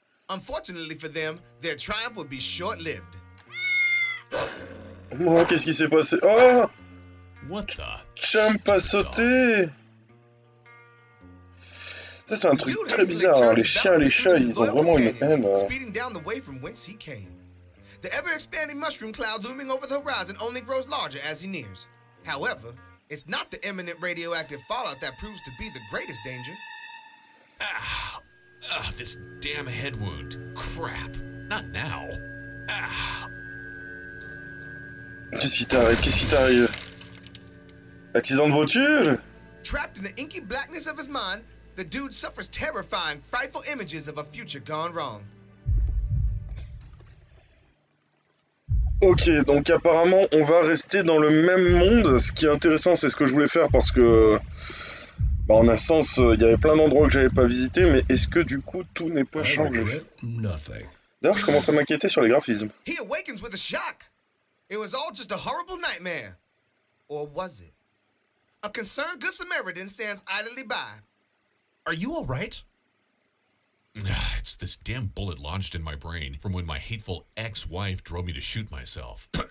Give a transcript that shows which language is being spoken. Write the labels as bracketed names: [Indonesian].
[English] Unfortunately for them, their triumph will be short-lived. [French] Oh, qu'est-ce qui s'est passé? Oh! [English] What the? [French] Champ a sauté! Ça, c'est un truc très bizarre, hein. Les chats, ils ont vraiment une haine. [English] Speeding down the way from whence he came. The ever-expanding mushroom cloud looming over the horizon only grows larger as he nears. However, it's not the imminent radioactive fallout that proves to be the greatest danger. Ah, this damn head wound. Crap. Not now. Ah. [French] Qu'est-ce qui t'arrive? Qu'est-ce qui t'arrive? Accident de voiture? [English] Trapped in the inky blackness of his mind, the dude suffers terrifying, frightful images of a future gone wrong. [French] Ok, donc apparemment, on va rester dans le même monde. Ce qui est intéressant, c'est ce que je voulais faire parce que. Bah en un sens, il y avait plein d'endroits que j'avais pas visités, mais est-ce que du coup tout n'est pas changé? D'ailleurs, je commence à m'inquiéter sur les graphismes. [English] He awakens with a shock. It was all just a horrible nightmare. Or was it? A concerned good Samaritan stands idly by. Are you all right? It's this damn bullet lodged in my brain from when my hateful ex-wife drove me to shoot myself.